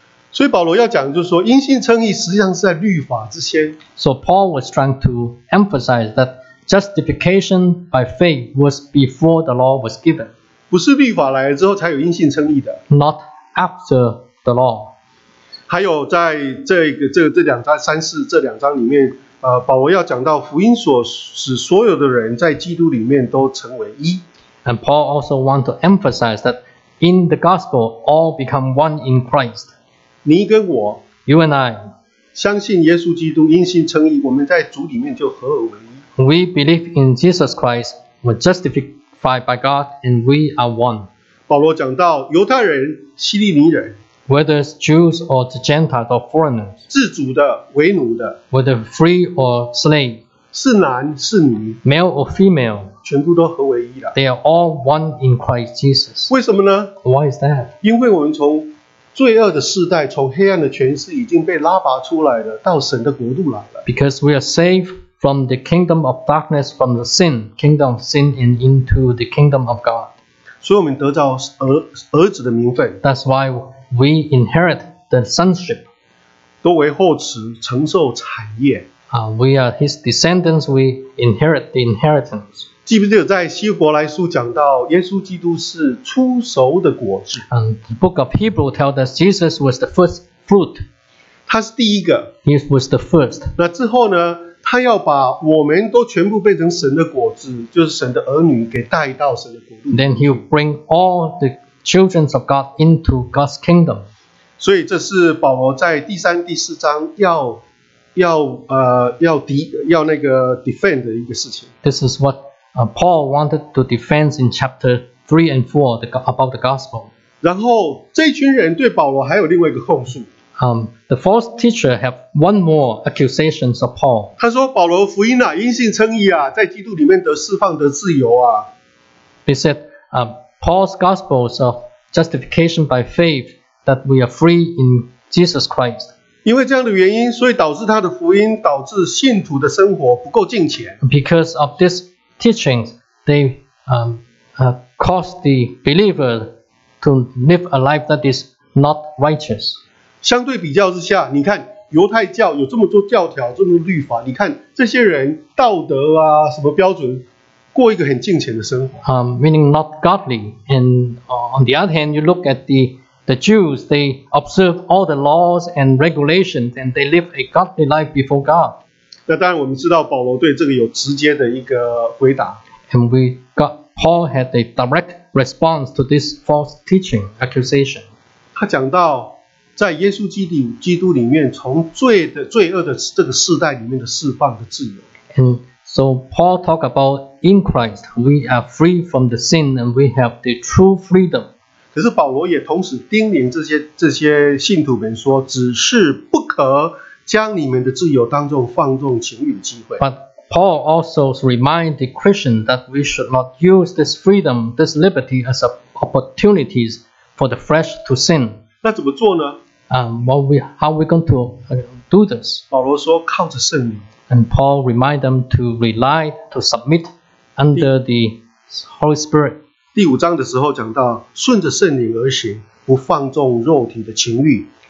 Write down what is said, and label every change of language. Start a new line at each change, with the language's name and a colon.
Chinese: 所以保罗要讲的就是说，因信称义实际上是在律法之先。
English: So Paul was trying to emphasize that justification by faith was before the law was given.
Chinese: 不是律法来了之后才有因信称义的。
English: Not after the law.
Chinese: 还有在这两章三四这两章里面。保罗要讲到福音所使所有的人在基督里面都成为一。
English: And Paul also want to emphasize that in the gospel all become one in Christ.
Chinese: 你跟我
English: ，You and I，
Chinese: 相信耶稣基督，因信称义，我们在主里面就合而为一。
English: We believe in Jesus Christ, we're justified by God, and we are one.
Chinese: 保罗讲到犹太人、希利尼人。
English: Whether it's Jews or the Gentiles or foreigners,
Chinese: 自主的、为奴的
English: ，whether free or slave,
Chinese: 是男是女
English: ，male or female,
Chinese: 全部都合为一了。
English: They are all one in Christ Jesus.
Chinese: 为什么呢
English: ？Why is that?
Chinese: 因为我们从罪恶的世代、从黑暗的权势已经被拉拔出来了，到神的国度来了。
English: Because we are saved from the kingdom of darkness, from the sin, kingdom of sin, and into the kingdom of God.
Chinese: 所以我们得到儿子的名分。
English: That's why. We inherit the sonship.
Chinese: 都为后嗣，承受产业。
English: We are his descendants. We inherit the inheritance.
Chinese: 记不记得在希伯来书讲到，耶稣基督是初熟的果子。
English: The book of Hebrew tells us Jesus was the first fruit.
Chinese: 他是第一个。
English: He was the first.
Chinese: 那之后呢？他要把我们都全部变成神的果子，就是神的儿女，给带到神的国度。
English: Then he'll bring all the Children of God into God's kingdom.
Chinese: 所以这是保罗在第三、第四章要 defend 的一个事情。
English: This is what Paul wanted to defend in chapter 3 and 4 about the gospel.
Chinese: 然后这群人对保罗还有另外一个控诉。
English: The false teacher have one more accusations of Paul.
Chinese: 他说保罗福音啊，因信称义啊，在基督里面得释放得自由啊。
English: He said, Paul's Gospels of justification by faith that we are free in Jesus Christ.
Chinese: 因为这样的原因，所以导致他的福音导致信徒的生活不够敬虔。
English: Because of this teaching, they caused the believer to live a life that is not righteous.
Chinese: 相对比较之下，你看犹太教有这么多教条，这么多律法，你看这些人道德啊，什么标准？过一个很敬虔的生活。
English: Meaning not godly. And on the other hand, you look at the Jews, they observe all the laws and regulations, and they live a godly life before God.
Chinese: 那当然我们知道保罗对这个有直接的一个回答。
English: And Paul had a direct response to this false teaching accusation.
Chinese: 他讲到在耶稣基督里面从罪恶的这个世代里面的释放的自由。
English: And so Paul talked about in Christ, we are free from the sin and we have the true freedom.
Chinese: 可是保罗也同时叮咛这些信徒们说，只是不可将你们的自由当作放纵情欲的机会。
English: But Paul also reminded the Christian that we should not use this freedom, this liberty as opportunities for the flesh to sin.
Chinese: 那怎么做呢？
English: How are we going to do this?
Chinese: 保罗说靠着圣灵。
English: And Paul reminded them to rely, to submit under the Holy Spirit.
Chinese: 第五章的时候讲到，顺着圣灵而行，不放纵肉体的情欲。